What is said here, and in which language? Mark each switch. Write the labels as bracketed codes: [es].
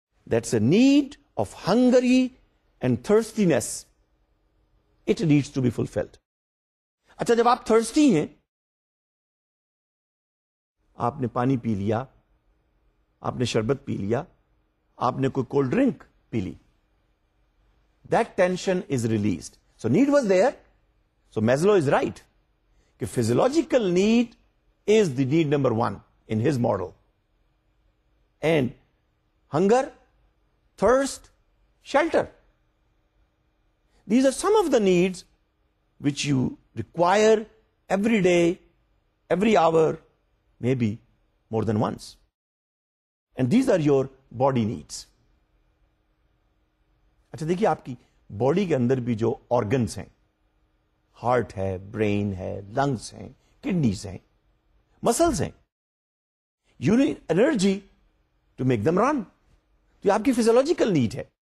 [en] That's a need of hunger and thirstiness, it needs to be fulfilled. [ur] اچھا جب آپ thirsty ہیں, آپ نے پانی پی لیا, آپ نے شربت پی لیا, آپ نے کوئی کولڈ ڈرنک پی لی, [en] that tension is released. So need was there. So Maslow is right. Ke physiological need is the need number 1 in his model. And hunger, thirst, shelter. These are some of the needs which you require every day, every hour, maybe more than once. And these are your body needs. [ur] اچھا دیکھیے آپ کی body کے اندر بھی جو organs ہیں, heart ہے, brain ہے, لنگس ہیں, کڈنیز ہیں, مسلس ہیں, [en] you need energy to make them run, [ur] تو آپ کی فیزیولوجیکل نیڈ ہے.